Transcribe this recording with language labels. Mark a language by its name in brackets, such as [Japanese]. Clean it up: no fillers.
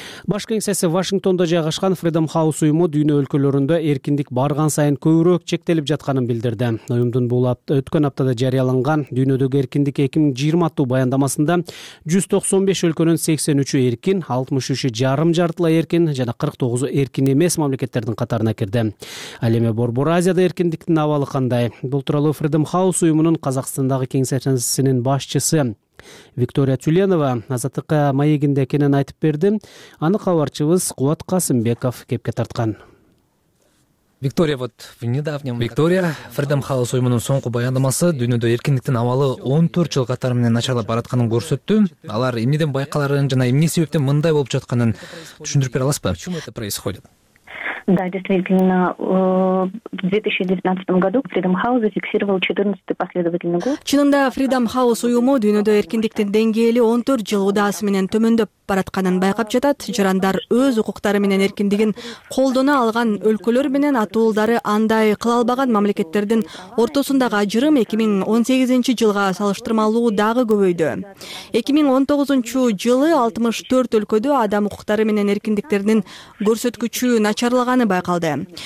[Kyrgyz] Баш кеңсеси Вашингтондо жайгашкан Freedom House уюму дүйнө өлкөлөрүндө эркиндик барган сайын көбүрөөк чектелип жатканын билдирди. Уюмдун бул өткөн аптада жарыяланган дүйнөдөгү эркиндик 2020 аттуу баяндамасында 195 өлкөнүн 83 эркин, 63 жарым жартылай эркин жана 49 эркин эмес мамлекеттердин катарына кирди. Ал эми борбор Азияда эркиндиктин абалы кандай? Бул тууралуу Freedom House уюмунун Казакстандагы кеңсесинин башчысы Виктория Тюленова Азаттыкка маегинде экенин айтып берди. Аны кабарчыбыз Кубат Касымбеков кепке тарткан. Виктория, [Russian] вот в недавнем [Kyrgyz] Виктория Freedom House уюмунун соңку баяндамасы дүйнөдө эркиндиктин абалы 14 жыл катары менен начарлап баратканын көрсөттү. Алар эмнеден байкаларын жана эмне себептен мындай болуп жатканын түшүндүрүп бере аласызбы? [Russian] Почему это происходит? Да, действительно, в 2019 году Freedom House зафиксировал 14-й последовательный год. [Kyrgyz] Чынында Freedom House уюму дүйнөдө эркиндиктин деңгээли 14 жыл удаасы менен төмөндөп баратканын байкап жатат. Жарандар өз укуктары менен эркиндигин колдоно алган өлкөлөр менен атуулдары андай кыла албаган мамлекеттердин ортосундагы ажырым 2018 жылга салыштырмалуу дагы көбөйдү. 2019 жылы 64 өлкөдө адам укуктары менен эркиндиктеринин көрсөткүчү начарлык аны байкалды.